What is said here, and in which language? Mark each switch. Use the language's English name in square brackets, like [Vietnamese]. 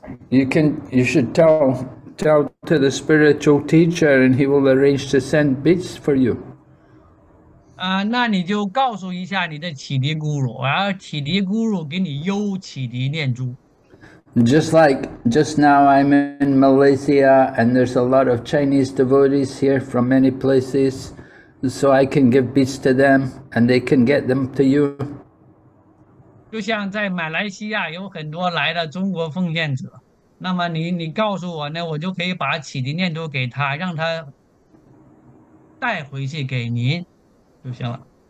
[English] you should tell to the spiritual teacher, and he will arrange to send beads for you. [Chinese] 那你就告诉一下你的启迪咕噜，我要启迪咕噜给你优启迪念珠。 [English] Just now, I'm in Malaysia, and there's a lot of Chinese devotees here from many places, so I can give beads to them, and they can get them to you. [Chinese] 就像在马来西亚有很多来的中国奉献者，那么你告诉我呢，我就可以把启迪念珠给他，让他带回去给您就行了。